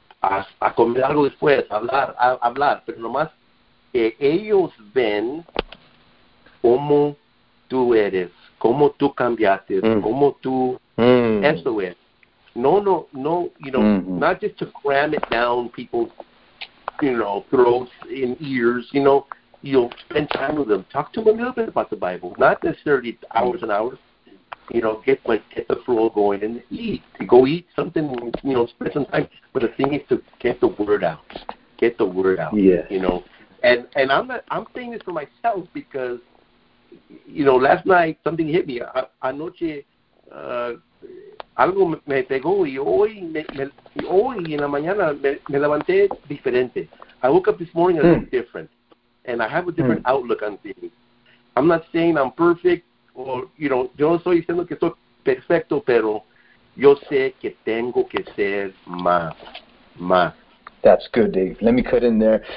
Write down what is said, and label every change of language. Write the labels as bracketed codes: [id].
[es] a comer algo después, a hablar, pero nomás que ellos ven cómo tú eres, cómo tú cambiaste, cómo tú eso es. [en] No, you know, not just to cram it down people's, you know, throats and ears, you know, you'll spend time with them. Talk to them a little bit about the Bible, not necessarily hours and hours. You know, get the flow going and eat. Go eat something, you know, spend some time. But the thing is to get the word out. Get the word out. Yes. You know. And I'm saying this for myself because, you know, last night something hit me. [es] Anoche algo me pegó y hoy en la mañana me levanté diferente. [en] I woke up this morning a little different. And I have a different outlook on things. I'm not saying I'm perfect. Or, you know, [es] yo no estoy diciendo que estoy perfecto, pero yo sé que tengo que ser más. [en] That's good, Dave. Let me cut in there.